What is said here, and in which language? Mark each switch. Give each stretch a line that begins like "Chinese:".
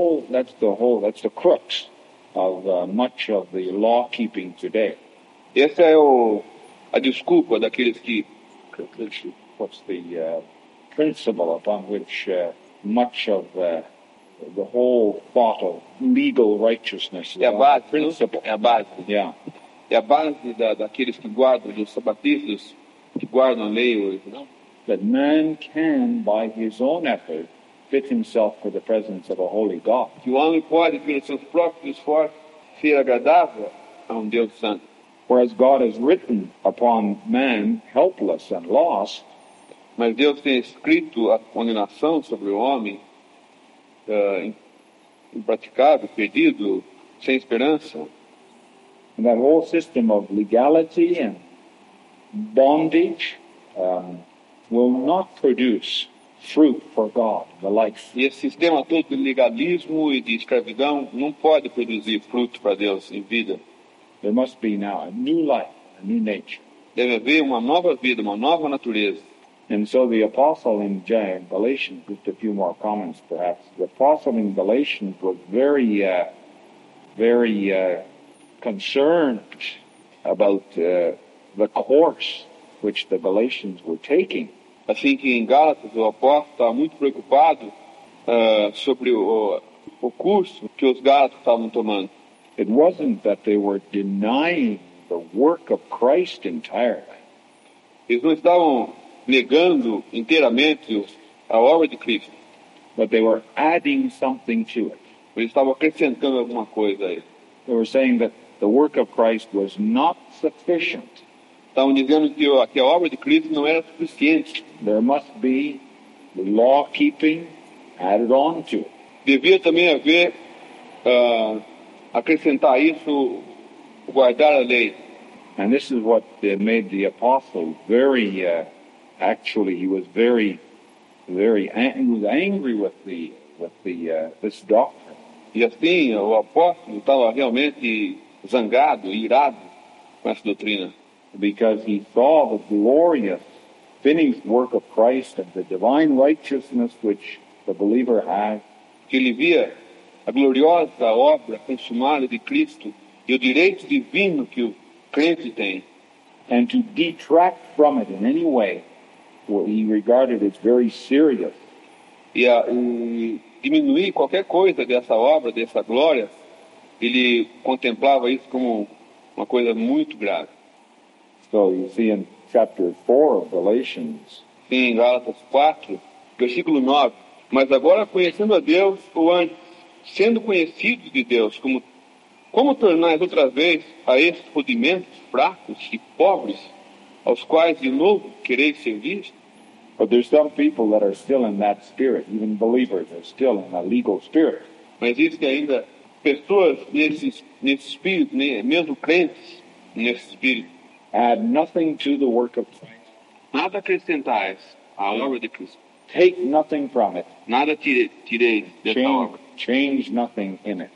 English: That's the crux of much of the law keeping today.
Portuguese: Essa é a desculpa daqueles que...
English: What's the principle upon which much of the whole thought of legal righteousness
Portuguese: é a base, principle. É a base.
English: Yeah.
Portuguese: É a base daqueles que guardam, dos sabatistas, que guardam a lei hoje, não?
English: That man can, by his own effort, fit himself for the presence of a holy God.
Portuguese: Que o homem pode, pelos seus próprios esforços, ser agradável a Deus Santo.
English: Whereas God has written upon man, helpless and lost.
Portuguese: Mas Deus tem escrito a condenação sobre o homem, impraticável, perdido, sem esperança.
English: And that whole system of legality and bondage will not produce fruit for God, the life.
Portuguese: E esse sistema todo de legalismo e de escravidão não pode produzir fruto para Deus em vida.
English: There must be now a new life, a new nature.
Portuguese: Deve haver uma nova vida, uma nova natureza.
English: And so the apostle in Galatians, just a few more comments perhaps, the apostle in Galatians was very concerned about the course which the Galatians were taking.
Portuguese: Assim que em Gálatas o apóstolo estava muito preocupado sobre o curso que os gálatas estavam tomando.
English: It wasn't that they were denying the work of Christ entirely.
Portuguese: Eles não estavam negando inteiramente a obra de Cristo.
English: But they were adding something to it.
Portuguese: Eles estavam acrescentando alguma coisa a isso.
English: They were saying that the work of Christ was not sufficient.
Portuguese: Estavam dizendo que a obra de Cristo não era suficiente.
English: There must be law keeping added on to it.
Portuguese: Devia também haver acrescentar isso, guardar a lei.
English: And this is what made the apostle very actually he was very very angry with the this doctrine.
Portuguese: E assim o apóstolo estava realmente zangado, irado com essa doutrina.
English: Because he saw the glorious finished work of Christ and the divine righteousness which the believer has.
Portuguese: Que ele via a gloriosa obra consumada de Cristo e o direito divino que o crente tem.
English: And to detract from it in any way, he regarded it as very serious.
Portuguese: E diminuir qualquer coisa dessa obra, dessa glória, ele contemplava isso como uma coisa muito grave.
English: So you see in chapter 4 of Galatians.
Portuguese: Sim, em Gálatas 4, versículo 9. Mas agora conhecendo a Deus, ou antes, sendo conhecidos de Deus, como tornais outra vez a estes rudimentos fracos e pobres, aos quais de novo quereis servir?
English: But there's some people that are still in that spirit, even believers are still in a legal spirit.
Portuguese: Mas existe ainda pessoas nesse espírito, mesmo crentes nesse espírito.
English: Add nothing to the work of Christ.
Portuguese: Nada acrescentais à obra de Cristo.
English: Take nothing from it.
Portuguese: Nada tireis dessa obra.
English: Change nothing in it.